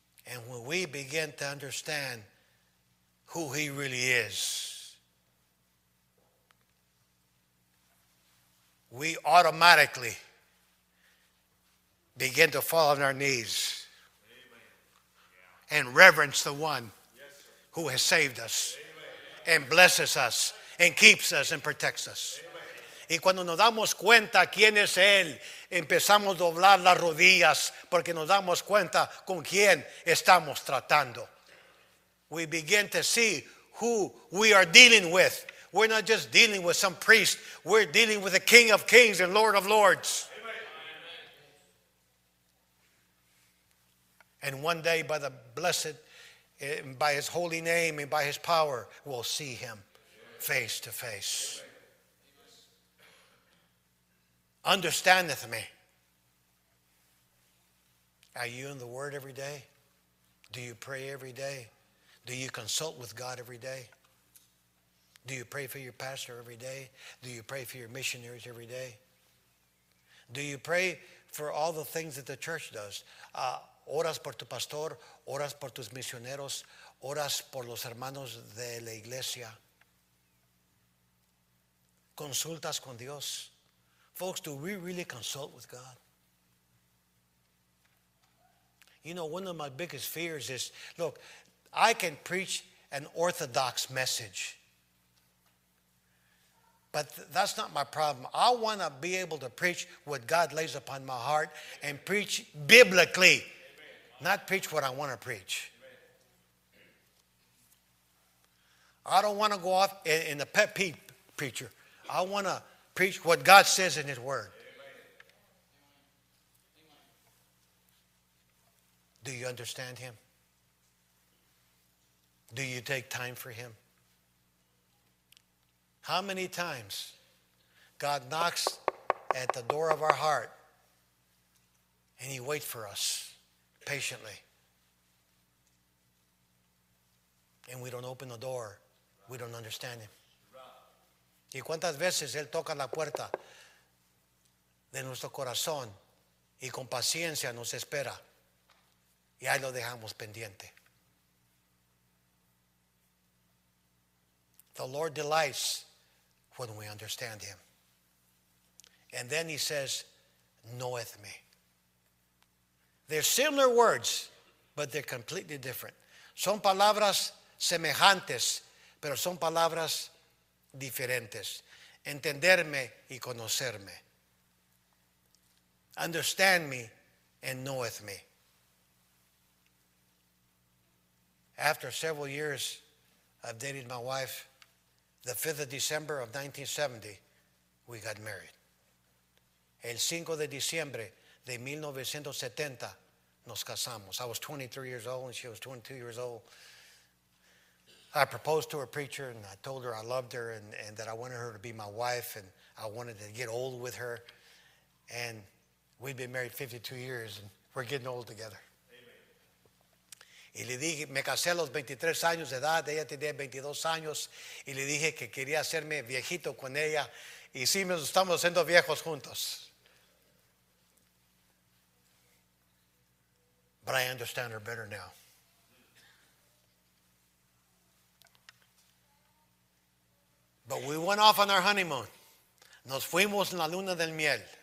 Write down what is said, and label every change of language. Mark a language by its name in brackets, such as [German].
[English] And when we begin to understand who he really is, we automatically begin to fall on our knees. Amen. Yeah. And reverence the one, yes, sir, who has saved us. Amen. And blesses us and keeps us and protects us. [Spanish] Amen. Y cuando nos damos cuenta quién es Él, empezamos a doblar las rodillas porque nos damos cuenta con quién estamos tratando. [English] We begin to see who we are dealing with. We're not just dealing with some priest. We're dealing with the King of Kings and Lord of Lords. Amen. And one day by the blessed, by his holy name and by his power, we'll see him face to face. Understandeth me. Are you in the Word every day? Do you pray every day? Do you consult with God every day? Do you pray for your pastor every day? Do you pray for your missionaries every day? Do you pray for all the things that the church does? [Spanish] Oras por tu pastor, oras por tus misioneros, oras por los hermanos de la iglesia. Consultas con Dios. [English] Folks, do we really consult with God? You know, one of my biggest fears is, look, I can preach an orthodox message, but that's not my problem. I want to be able to preach what God lays upon my heart and preach biblically, not preach what I want to preach. I don't want to go off in the pet peeve preacher. I want to preach what God says in his word. Do you understand him? Do you take time for him? How many times God knocks at the door of our heart and he waits for us patiently and we don't open the door, we don't understand him. [Spanish] Y cuántas veces él toca la puerta de nuestro corazón y con paciencia nos espera y ahí lo dejamos pendiente. [English] The Lord delights when we understand him. And then he says, knoweth me. They're similar words, but they're completely different. [Spanish] Son palabras semejantes, pero son palabras diferentes. Entenderme y conocerme. [English] Understand me and knoweth me. After several years of dating my wife, the 5th of December of 1970, we got married. [Spanish] El 5 de diciembre de 1970, nos casamos. [English] I was 23 years old and she was 22 years old. I proposed to a preacher and I told her I loved her and that I wanted her to be my wife and I wanted to get old with her. And we'd been married 52 years and we're getting old together. [Spanish] Y le dije, me casé a los 23 años de edad, ella tenía 22 años, y le dije que quería hacerme viejito con ella, y sí, nos estamos haciendo viejos juntos. [English] But I understand her better now. But we went off on our honeymoon. [Spanish] Nos fuimos en la luna del miel.